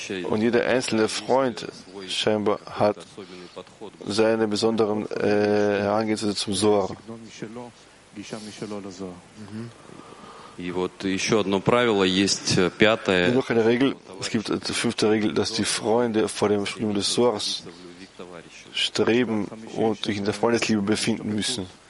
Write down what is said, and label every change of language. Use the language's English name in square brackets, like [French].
[German] Und jeder einzelne Freund scheinbar hat seine besonderen Herangehensweise zum Zohar. [Russian] И вот еще одно правило есть пятое. [German] И noch eine Regel. Es gibt die fünfte Regel, dass die Freunde vor dem Sprung des Zohars streben und sich in der Freundesliebe befinden müssen.